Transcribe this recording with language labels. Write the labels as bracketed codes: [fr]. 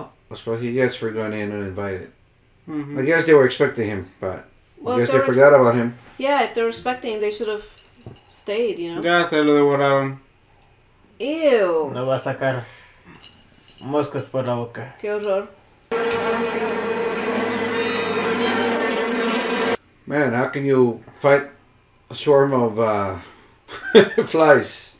[en] That's what he gets for going in uninvited. I guess they were expecting him, but well, I guess they forgot about him. Yeah, if they're expecting, they should have stayed, you know? [es] Ya se lo devoraron. Ew. No va a sacar moscas por la boca. Qué horror. [en] Man, how can you fight a swarm of flies?